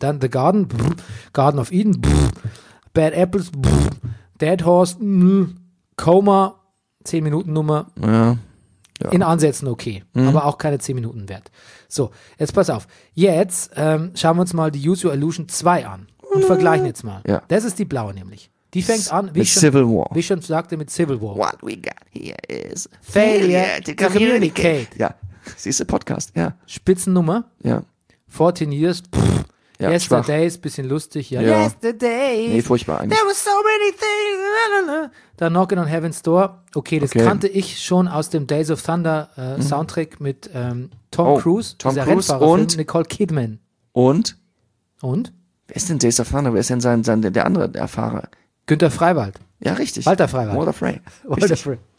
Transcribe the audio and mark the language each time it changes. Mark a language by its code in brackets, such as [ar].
[de] Dann The Garden, Garden of Eden, Bad Apples, Dead Horse, Coma, 10 Minuten Nummer. Ja. Ja. In Ansätzen okay, mhm. aber auch keine 10 Minuten wert. So, jetzt pass auf. Jetzt schauen wir uns mal die Use Your Illusion 2 an und vergleichen jetzt mal. Ja. Das ist die blaue nämlich. Die fängt an, wie ich schon sagte, mit Civil War. [en] What we got here is failure to communicate. [de] Ja, siehst du, Podcast, ja. Spitzennummer. Ja. 14 Years, ja, Yesterday schwach. Ist bisschen lustig. Ja. Ja. Yesterday. Nee, furchtbar eigentlich. [en] There were so many things. [de] Dann Knockin' on Heaven's Door. Okay, das okay. kannte ich schon aus dem Days of Thunder Soundtrack mit Tom Cruise. Tom Cruise und Nicole Kidman. Und? Und? Wer ist denn Days of Thunder? Wer ist denn der andere Erfahrer? Günther Freiwald. Ja, richtig. Walter Freiwald. Walter Frey. Walter Frey.